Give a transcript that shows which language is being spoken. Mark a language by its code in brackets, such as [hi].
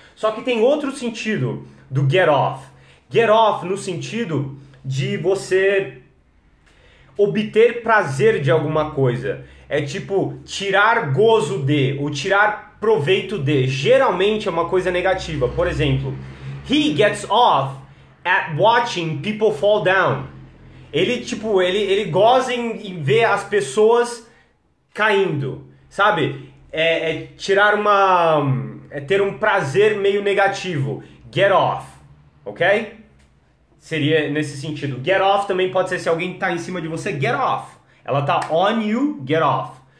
[pt] Só que tem outro sentido do get off. Get off no sentido de você obter prazer de alguma coisa. É tipo tirar gozo de, ou tirar proveito de, geralmente é uma coisa negativa. Por exemplo, [en] he gets off at watching people fall down. [pt] Ele, tipo, ele goza em ver as pessoas caindo, sabe? É tirar é ter um prazer meio negativo. Get off, ok? Seria nesse sentido. Get off também pode ser se alguém tá em cima de você. Get off. Ela tá on you, get off.